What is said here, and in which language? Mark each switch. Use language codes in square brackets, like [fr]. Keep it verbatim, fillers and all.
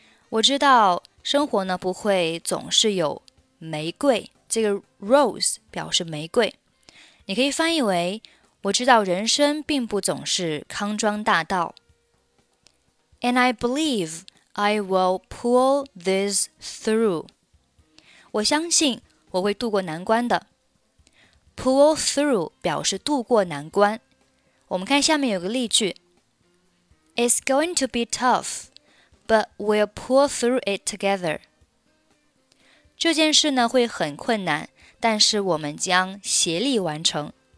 [zh] 我知道生活呢不会总是有玫瑰。这个 rose 表示玫瑰。你可以翻译为我知道人生并不总是康庄大道。 [en] And I believe I will pull this through. [zh] 我相信我会渡过难关的。 Pull through 表示渡过难关。我们看下面有个例句。 [en] It's going to be tough, but we'll pull through it together. [zh] 这件事呢会很困难，但是我们将协力完成。